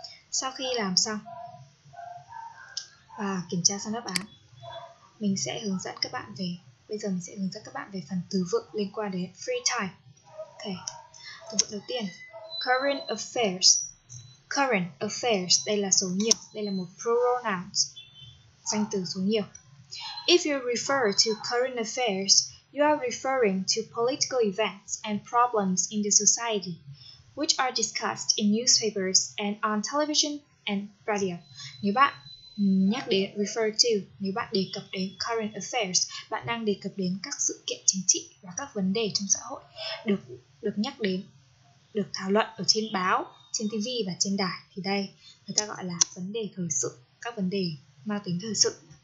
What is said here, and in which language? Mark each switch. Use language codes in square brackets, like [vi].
[vi] Sau khi làm xong và kiểm tra xong đáp án, mình sẽ hướng dẫn các bạn về, bây giờ mình sẽ hướng dẫn các bạn về phần từ vựng liên quan đến free time. Ok, từ vựng đầu tiên, current affairs. Current affairs, đây là số nhiều, đây là một plural noun, danh từ số nhiều. [en] If you refer to current affairs, you are referring to political events and problems in the society, which are discussed in newspapers and on television and radio. [vi] Nếu bạn nhắc đến refer to, nếu bạn đề cập đến current affairs, bạn đang đề cập đến các sự kiện chính trị và các vấn đề trong xã hội được nhắc đến, được thảo luận ở trên báo, trên TV và trên đài, thì đây người ta gọi là vấn đề thời sự, các vấn đề mang tính thời sự.